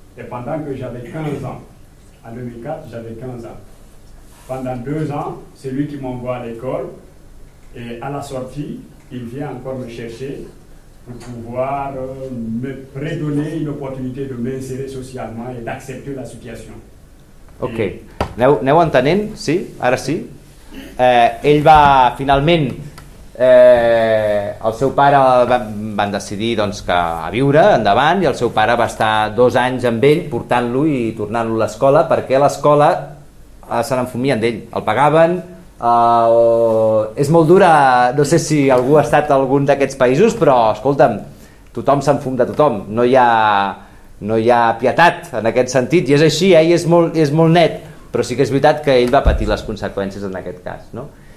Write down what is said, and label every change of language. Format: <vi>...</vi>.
<fr>Et pendant que j'avais 15 ans, en 2004, j'avais 15 ans. Pendant 2 ans, c'est lui qui m'envoie à l'école. Et à la sortie, il vient encore me chercher pour pouvoir me prédonner une opportunité de m'insérer socialement et d'accepter la situation.</fr> <ca>Ok. Et... aneu entenent? Sí? Ara sí? Ell va, finalment, el seu pare van decidir doncs, que a viure endavant i el seu pare va estar 2 anys amb ell portant-lo i tornant-lo a l'escola perquè l'escola se n'enfumien d'ell, el pagaven, és molt dura, no sé si algú ha estat a algun d'aquests països, però escolta'm, tothom s'enfum de tothom, no hi ha pietat en aquest sentit i és així, i és molt net.</ca> <es>Pero sí que es verdad que él va a patir las consecuencias en aquel caso, ¿no?</es>